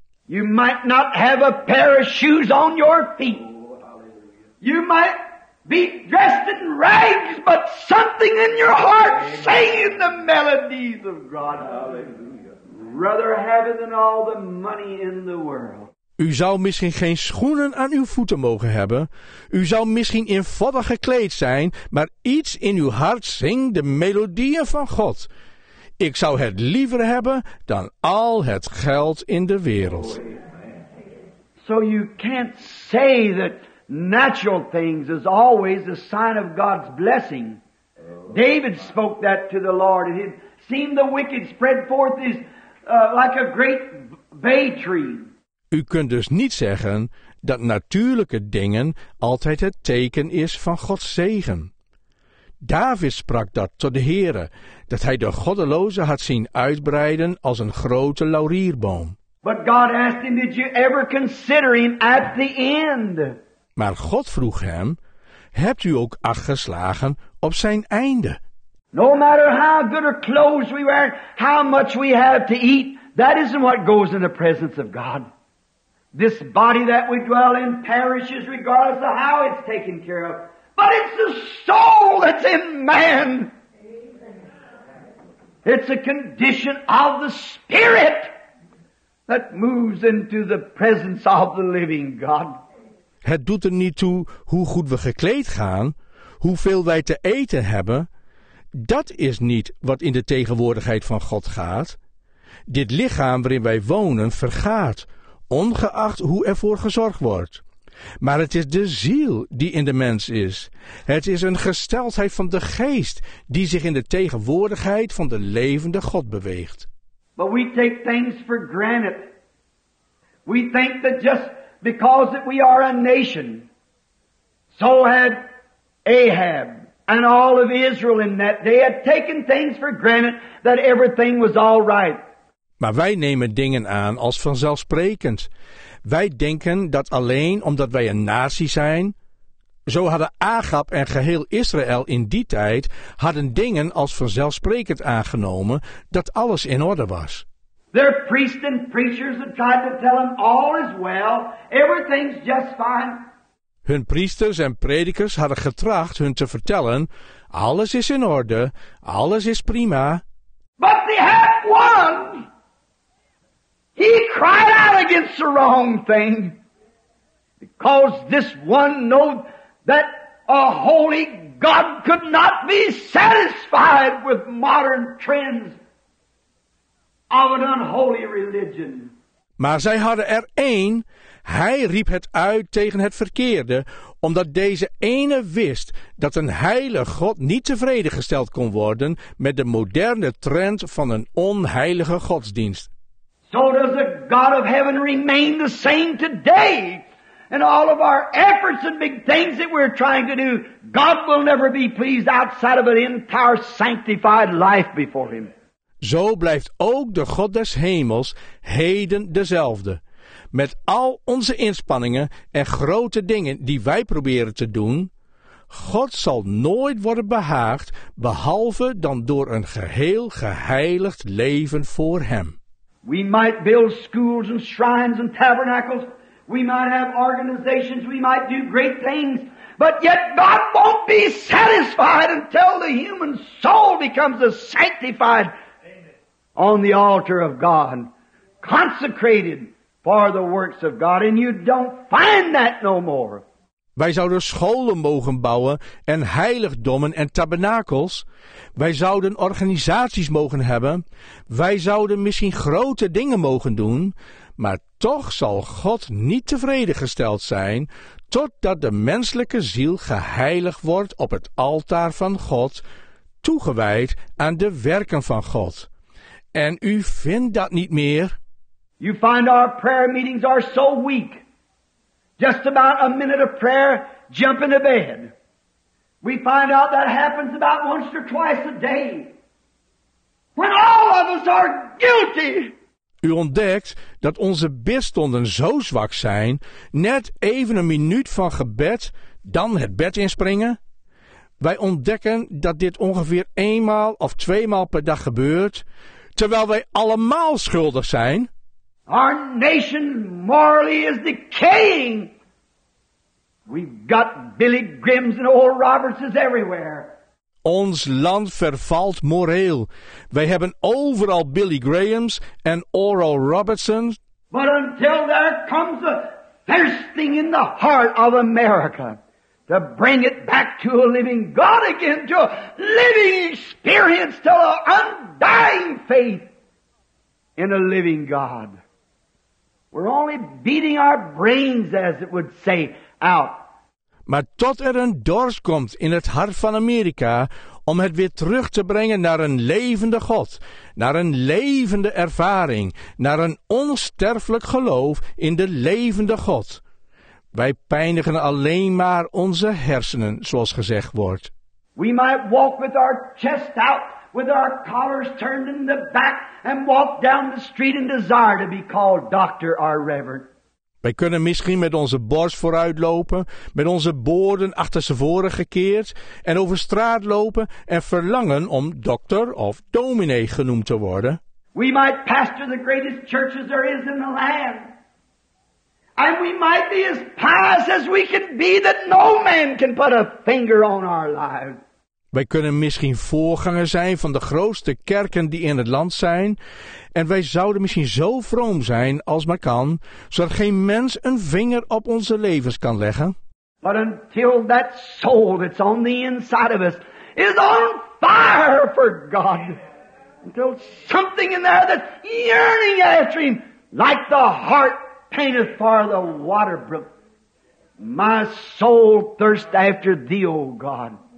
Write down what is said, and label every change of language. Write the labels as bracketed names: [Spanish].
[English] You might not have a pair of shoes on your feet. You might be dressed in rags, but something in your heart saying the melodies of God. Hallelujah. Rather have it than all the money in the world. [Dutch] U zou misschien geen schoenen aan uw voeten mogen hebben. U zou misschien in vodden gekleed zijn, maar iets in uw hart zingt de melodieën van God. Ik zou het liever hebben dan al het geld in de wereld. [English] So you can't say that natural things is always a sign of God's blessing. David spoke that to the Lord. And he had seen the wicked spread forth his like a great bay tree. [Dutch] U kunt dus niet zeggen dat natuurlijke dingen altijd het teken is van Gods zegen. David sprak dat tot de Heere, dat hij de goddeloze had zien uitbreiden als een grote laurierboom. [English] But God asked him, did you ever consider him at the end? [Dutch] Maar God vroeg hem, hebt u ook acht geslagen op zijn einde? [English] No matter how good our clothes we wear, how much we have to eat, that isn't what goes in the presence of God. This body that we dwell in perishes regardless of how it's taken care of. But it's the soul that's in man. It's a condition of the spirit that moves into the presence of the living God. [Dutch] Het doet er niet toe hoe goed we gekleed gaan, hoeveel wij te eten hebben. Dat is niet wat in de tegenwoordigheid van God gaat. Dit lichaam waarin wij wonen vergaat, ongeacht hoe ervoor gezorgd wordt. Maar het is de ziel die in de mens is. Het is een gesteldheid van de geest die zich in de tegenwoordigheid van de levende God beweegt. [English] But we take things for granted. We think that just because that we are a nation. So had Ahab and all of Israel in that day had taken things for granted that everything was all right. [Dutch] Maar wij nemen dingen aan als vanzelfsprekend. Wij denken dat alleen omdat wij een natie zijn, Zo hadden Agab en geheel Israël in die tijd hadden dingen als vanzelfsprekend aangenomen dat alles in orde was. [English] Their priests and preachers had tried to tell them all is well, everything's just fine. [Dutch] Hun priesters en predikers hadden getracht hun te vertellen, alles is in orde, alles is prima. [English] But they had one. He cried out against the wrong thing, because this one knew that a holy God could not be satisfied with modern trends of an unholy religion. [Dutch] Maar zij hadden er één. Hij riep het uit tegen het verkeerde, omdat deze ene wist dat een heilige God niet tevreden gesteld kon worden met de moderne trend van een onheilige godsdienst. [English] So does the God of heaven remain the same today. In all of our efforts and big things that we're trying to do, God will never be pleased outside of an entire sanctified life before him. [Dutch] Zo blijft ook de God des hemels heden dezelfde. Met al onze inspanningen en grote dingen die wij proberen te doen, God zal nooit worden behaagd behalve dan door een geheel geheiligd leven voor hem. [English] We might build schools and shrines and tabernacles. We might have organizations. We might do great things. But yet God won't be satisfied until the human soul becomes a sanctified on the altar of God, consecrated for the works of God, and you don't find that no more. [Dutch] Wij zouden scholen mogen bouwen en heiligdommen en tabernakels. Wij zouden organisaties mogen hebben. Wij zouden misschien grote dingen mogen doen, maar toch zal God niet tevreden gesteld zijn totdat de menselijke ziel geheiligd wordt op het altaar van God, toegewijd aan de werken van God. En u vindt dat niet meer? [English] You find our prayer meetings are so weak. Just about a minute of prayer, jump into bed. We find out that happens about once or twice a day. When all of us are guilty. [Dutch] U ontdekt dat onze bidstonden zo zwak zijn, net even een minuut van gebed, dan het bed inspringen. Wij ontdekken dat dit ongeveer eenmaal of tweemaal per dag gebeurt, terwijl wij allemaal schuldig zijn. [English] Our nation morally is decaying. We've got Billy Grimms and Oral Robertses everywhere. [Dutch] Ons land vervalt moreel. Wij hebben overal Billy Grahams en Oral Robertsons. [English] But until there comes a thirsting in the heart of America to bring it back to a living God again, to a living experience, to an undying faith in a living God. We're only beating our brains, as it would say, out. [Dutch] Maar tot er een dorst komt in het hart van Amerika om het weer terug te brengen naar een levende God, naar een levende ervaring, naar een onsterfelijk geloof in de levende God. Wij pijnigen alleen maar onze hersenen, zoals gezegd wordt. [English] We might walk with our chest out, with our collars turned in the back, and walk down the street and desire to be called doctor or reverend. [Dutch] Wij kunnen misschien met onze borst vooruit lopen, met onze boorden achter ze voren gekeerd, en over straat lopen en verlangen om dokter of dominee genoemd te worden. [English] We might pastor the greatest churches there is in the land. And we might be as pious as we can be, that no man can put a finger on our lives. [Dutch] Wij kunnen misschien voorganger zijn van de grootste kerken die in het land zijn. En wij zouden misschien zo vroom zijn als maar kan, zodat geen mens een vinger op onze levens kan leggen. [English] But until that soul that's on the inside of us is on fire for God. Until something in there that's yearning after him, like the heart painted for the water brook. My soul thirsts after thee, O God.